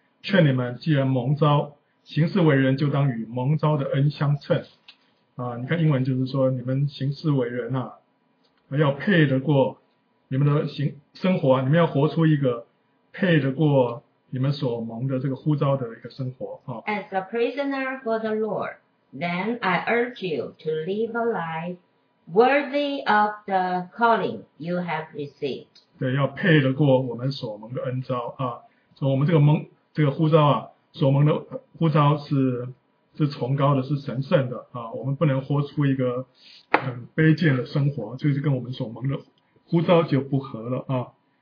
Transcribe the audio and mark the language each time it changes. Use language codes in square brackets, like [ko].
[zh] 劝你们，既然蒙召，行事为人，就当与蒙召的恩相称。你看英文就是说，你们行事为人啊，要配得过你们的生活啊，你们要活出一个配得过你们所蒙的这个呼召的一个生活啊。 [en] As a prisoner for the Lord, then I urge you to live a life worthy of the calling you have received. [zh] 对，要配得过我们所蒙的恩召啊，从我们这个蒙。这个呼召啊，所蒙的呼召是崇高的，是神圣的啊。我们不能活出一个很卑贱的生活，就是跟我们所蒙的呼召就不合了啊。